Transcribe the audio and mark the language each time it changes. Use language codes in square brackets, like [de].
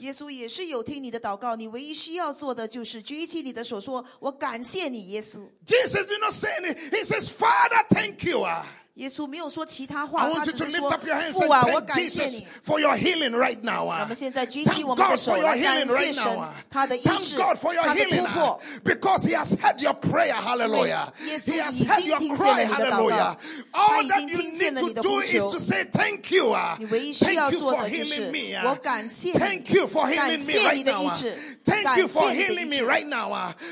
[zh] 耶稣也是有听你的祷告，你唯一需要做的就是举起你的手说，我感谢你，耶稣。 [en] Jesus did not say anything. He says, Father, thank you. [zh] 耶稣没有说其他话，他只是说父啊，我感谢你。 [en] I want you to lift up your hands and thank Jesus for your healing right now. [zh] 我们现在举起我们的手来感谢神，他的医治，他的突破。 [en] Thank God for your healing right now. Thank God for your healing. Because he has heard your prayer, hallelujah. He has heard your cry, hallelujah. All that you need to do is to say thank you. Thank you for healing me. [zh] 我感谢你。 [en] Thank you for healing me right now. Thank you for healing me right now.